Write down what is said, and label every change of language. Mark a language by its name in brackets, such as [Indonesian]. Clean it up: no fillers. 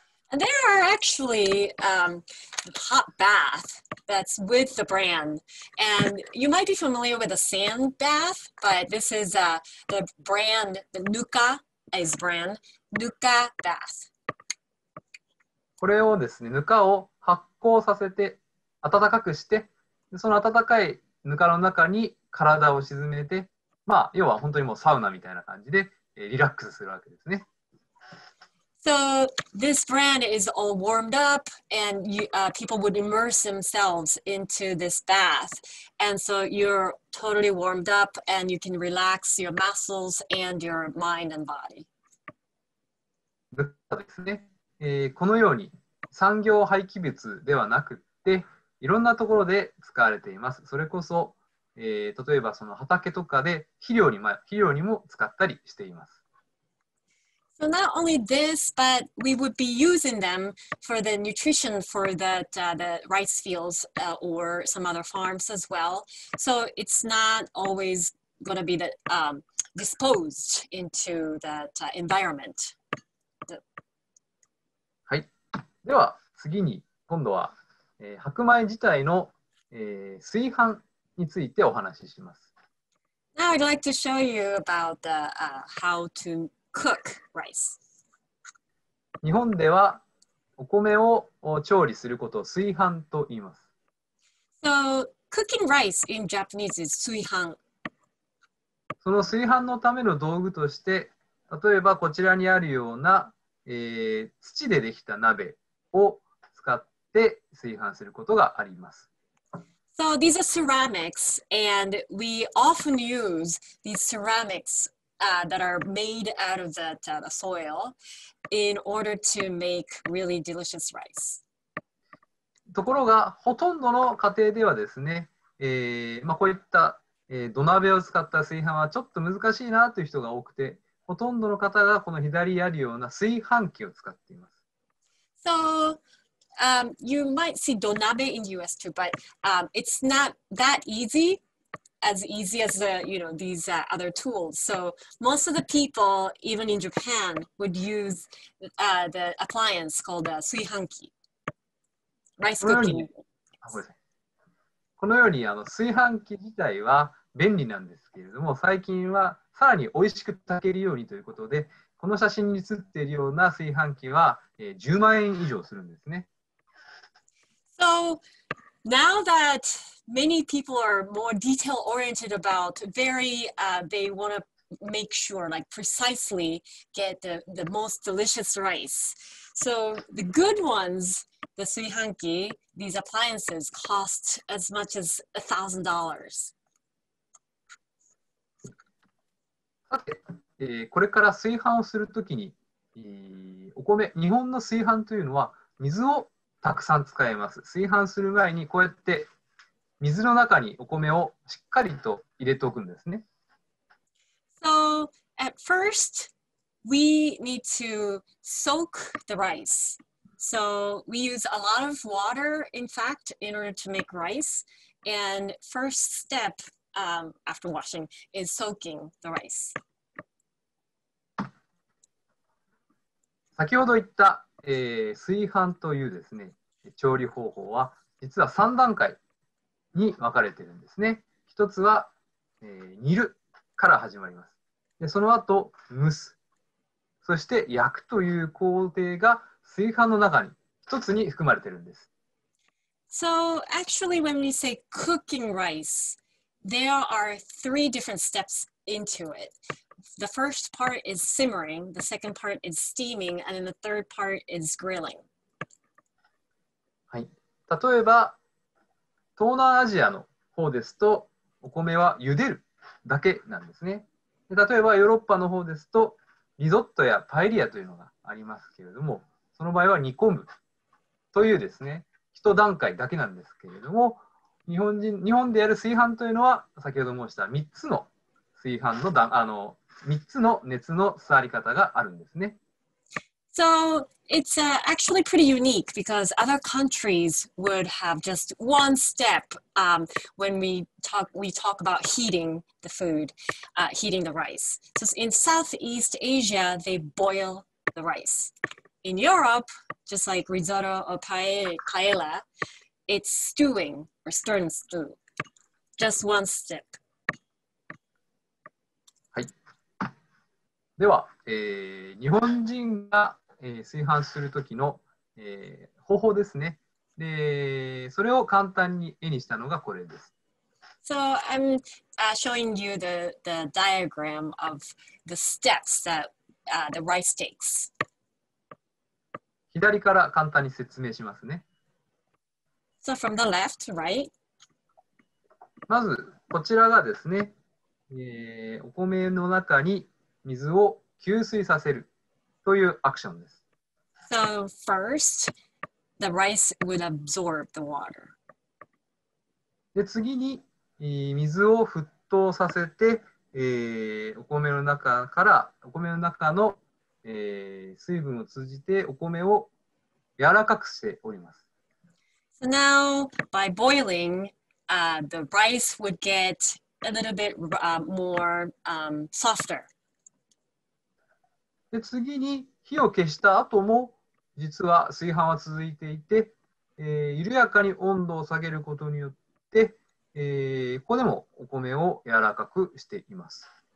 [English] There are actually hot bath that's with the brand. And you might be familiar with the sand bath, but this is the brand, the nuka is brand, nuka bath. [Japanese] これをですね、ぬかを発酵させて、暖かくして、その暖かいぬかの中に体を沈めて、要は本当にもうサウナみたいな感じで、リラックスするわけですね。 [English] So, this brand is all warmed up, and you, people would immerse themselves into this bath. And so you're totally warmed up, and you can relax your muscles and your mind and body. [Japanese] ぬかですね。このように産業廃棄物ではなくって、いろんなところで使われています。それこそ、例えばその畑とかで肥料にも使ったりしています。 [English] So not only this, but we would be using them for the nutrition for that, the rice fields, or some other farms as well. So it's not always going to be that, disposed into that, environment. [Japanese] はい。では次に今度は白米自体の、炊飯についてお話しします。 [English] Now I'd like to show you about the, how to cook rice. [Japanese] 日本ではお米を調理することを炊飯と言います。 [English] So, cooking rice in Japanese is 炊飯。 [Japanese] その炊飯のための道具として、例えばこちらにあるような、土でできた鍋を使ってで炊飯することがあります。 [English] So these are ceramics, and we often use these ceramics, that are made out of that, the soil in order to make really delicious rice. [Japanese] ところがほとんどの家庭ではですね、こういった、土鍋を使った炊飯はちょっと難しいなという人が多くて、ほとんどの方がこの左にあるような炊飯器を使っています。 [English] So,you might see donabe in US too, but it's not that easy, as easy as you know, these other tools. So most of the people, even in Japan, would use the appliance called the suihanki, rice cooking. [Japanese] このように炊飯器自体は便利なんですけれども、最近はさらに美味しく炊けるようにということで、この写真に写っているような炊飯器は、10万円以上するんですね。 [English] So now that many people are more detail oriented about very, they want to make sure, like precisely get the most delicious rice. So the good ones, the suihanki, these appliances cost as much as $1,000. [Japanese] これから炊飯をするときに、お米、日本の炊飯というのは水をたくさん使えます。炊飯する前にこうやって水の中にお米をしっかりと入れておくんですね。 [English] So, at first, we need to soak the rice. So, we use a lot of water, in fact, in order to make rice. And first step, after washing, is soaking the rice. [Japanese] 先ほど言った炊飯というですね、調理方法は実は3段階に分かれているんですね。一つは、煮るから始まります。でその後蒸す、そして焼くという工程が炊飯の中に一つに含まれているんです。 [English] So actually when we say cooking rice, there are three different steps into itThe first part is simmering, the second part is steaming, and then the third part is grilling. [Japanese] はい。例えば、東南アジアの方ですと、お米は茹でるだけなんですね。で、例えばヨーロッパの方ですとリゾットやパエリアというのがありますけれども、その場合は煮込むというですね、一段階だけなんですけれども、日本でやる炊飯というのは先ほど申した3つの炊飯の段、あの3つの熱の座り方があるんですね。 [English] So it's actually pretty unique because other countries would have just one step when we talk about heating the food, heating the rice. So in Southeast Asia, they boil the rice. In Europe, just like risotto or paella, it's stewing or stern stew. Just one step. [Japanese] はい。では、日本人が炊飯するときの、方法ですね。で、それを簡単に絵にしたのがこれです。 [English] So I'm showing you the diagram of the steps that the rice takes. [Japanese] 左から簡単に説明しますね。 [English] So from the left, right? [Japanese] まずこちらがですね、お米の中に水を吸水させるというアクションです。 [English] So first, the rice would absorb the water. [Japanese] で、次に、水を沸騰させて、お米の中から、お米の中の、水分を通じてお米を柔らかくしております。 [English] So now, by boiling, the rice would get a little bit more softer. [Japanese] で、次に火を消した後も、実は炊飯は続いていて、緩やかに温度を下げることによって、ここでもお米を柔らかくしています。